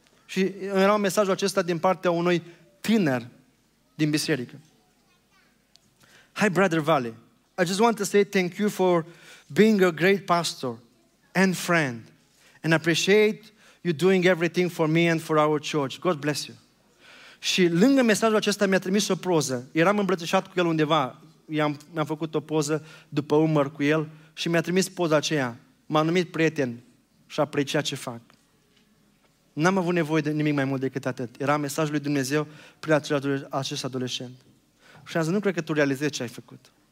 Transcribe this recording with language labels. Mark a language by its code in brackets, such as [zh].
[ro] Și era mesajul acesta din partea unui tiner din biserică. [en] Hi, Brother Valley. I just want to say thank you for being a great pastor and friend. And I appreciate you doing everything for me and for our church. God bless you. [ro] Și lângă mesajul acesta mi-a trimis o proză. Eram îmbrățișat cu el undeva. Mi-am făcut o poză după umăr cu el și mi-a trimis poza aceea. M-a numit prieten și aprecia ce fac. N-am avut nevoie de nimic mai mult decât atât. Era mesajul lui Dumnezeu prin acest adolescent. Și am zis, nu cred că tu realizezi ce ai făcut.